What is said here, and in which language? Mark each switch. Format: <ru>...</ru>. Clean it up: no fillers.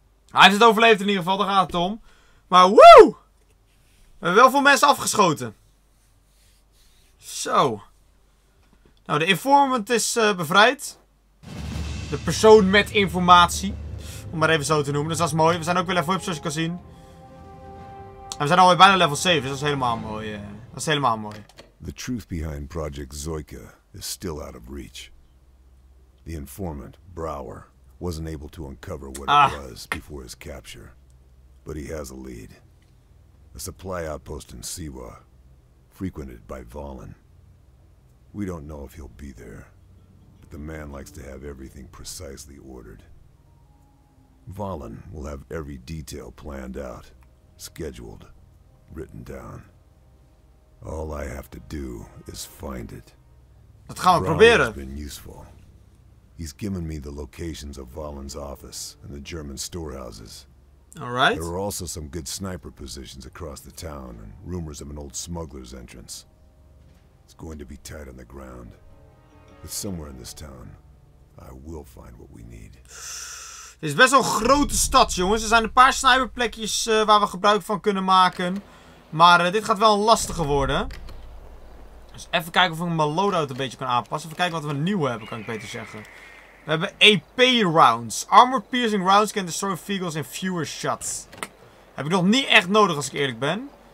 <nl>Hij heeft het overleefd in ieder geval, daar gaat het om. Maar woe! We hebben wel veel mensen afgeschoten. Zo. Nou, de informant is bevrijd. De persoon met informatie. Om maar even zo te noemen, dus dat is mooi. We zijn ook weer level up, zoals je kan zien. En we zijn alweer bijna level 7, dus dat is helemaal mooi. Dat is helemaal mooi.</nl> <en>The truth behind Project Zoika is still out of reach. The informant, Brower, wasn't able to uncover what it was before his capture. But he has a lead. A supply outpost in Siwa, frequented by Valen. We don't know if he'll be there, but the man likes to have everything precisely ordered. Valen will have every detail planned out, scheduled, written down. All I have to do is find it.</en> <nl>Dat gaan we proberen. Brower's</nl> <en>been useful. He's given me the locations of Valen's office and the German storehouses. All right. There are also some good sniper positions across the town and rumors of an old smuggler's entrance. It's going to be tight on the ground. But somewhere in this town, I will find what we need.</en> <nl>Het is best wel een grote stad, jongens. Er zijn een paar sniperplekjes waar we gebruik van kunnen maken. Maar dit gaat wel lastiger worden. Dus even kijken of ik mijn loadout een beetje kan aanpassen. Even kijken wat we nieuw hebben, kan ik beter zeggen. We hebben AP rounds.</nl> <en>Armored piercing rounds can destroy vehicles in fewer shots.</en> <nl>Heb ik nog niet echt nodig als ik eerlijk ben.</nl>